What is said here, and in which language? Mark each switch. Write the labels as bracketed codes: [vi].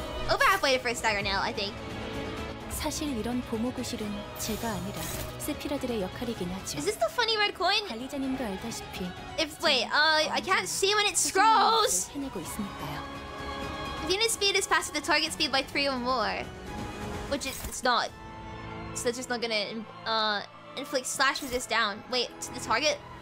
[en] Over halfway to first stagger now, I think. [ko] 사실 이런 보모구 실은 제가 아니라 세피라들의 역할이긴 하죠. [en] Is this the funny red coin? [ko] 관리자님도 알다시피. [en] If wait, I can't see when it scrolls. [ko] 해내고 있으니까요. [en] Unit speed is faster than target speed by 3 or more, which it's not. So that's just not gonna inflict slash resist down. Wait, to the target.